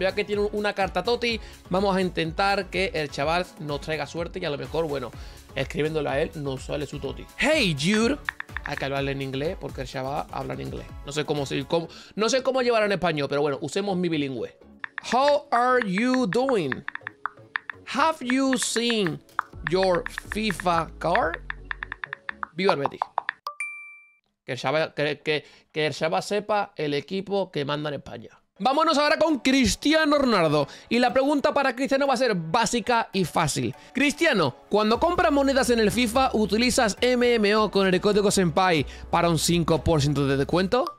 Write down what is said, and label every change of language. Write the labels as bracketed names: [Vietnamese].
[Spanish] Ya que tiene una carta Totti, vamos a intentar que el chaval nos traiga suerte y a lo mejor, bueno, escribiéndole a él, nos sale su Totti. [English] Hey, Jude. [Spanish] Hay que hablarle en inglés porque el chaval habla en inglés. No sé cómo llevará en español, pero bueno, usemos mi bilingüe. [English] How are you doing? Have you seen your FIFA card? [Spanish] Viva el Betis. Que el Shaba sepa el equipo que manda en España. Vámonos ahora con Cristiano Ronaldo. Y la pregunta para Cristiano va a ser básica y fácil. Cristiano, cuando compras monedas en el FIFA, ¿utilizas MMO con el código Senpai para un 5% de descuento?